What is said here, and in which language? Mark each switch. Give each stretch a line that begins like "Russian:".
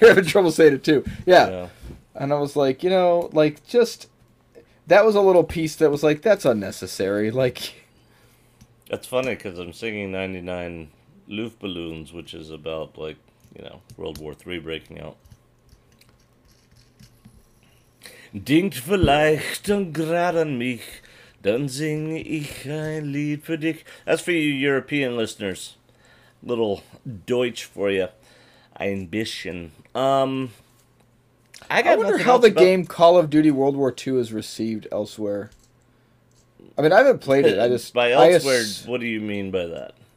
English: You're having trouble saying it too. Yeah. And I was like, you know, like, just, that was a little piece that was like, that's unnecessary. Like, that's funny because I'm singing 99 Luftballons, which is about, like, you know, World War III breaking out.
German: Denkt vielleicht und grad an mich, dann sing ich ein Lied für dich.
English: That's for you European listeners. Little Deutsch for you.
German: Ein bisschen.
English: I wonder how the game Call of Duty World War II is received elsewhere. I mean, I haven't played it. I just by elsewhere. What do you mean by that?